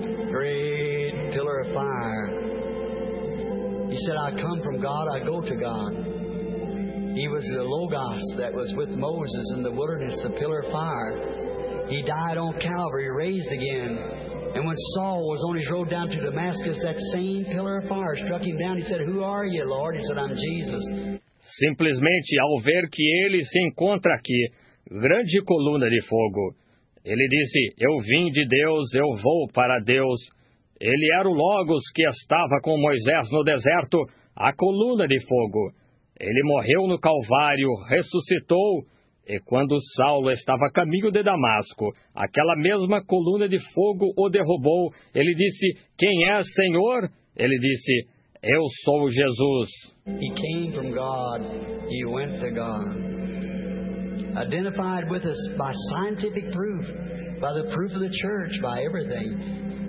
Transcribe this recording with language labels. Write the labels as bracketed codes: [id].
[en] Great pillar of fire. He said, I come from God, I go to God. He was the Logos that was with Moses in the wilderness, the pillar of fire. He died on Calvary, raised again. And when Saul was on his road down to Damascus, that same pillar of fire struck him down. He said, who are you, Lord? He said, I'm Jesus. [pt] Simplesmente ao ver que ele se encontra aqui, grande coluna de fogo. Ele disse, eu vim de Deus, eu vou para Deus. Ele era o Logos que estava com Moisés no deserto, a coluna de fogo. Ele morreu no Calvário, ressuscitou, E quando Saulo estava a caminho de Damasco, aquela mesma coluna de fogo o derrubou. Ele disse: Quem é, Senhor? Ele disse: Eu sou Jesus. [en] He came from God, he went to God. Identified with us by scientific proof, by the proof of the church, by everything.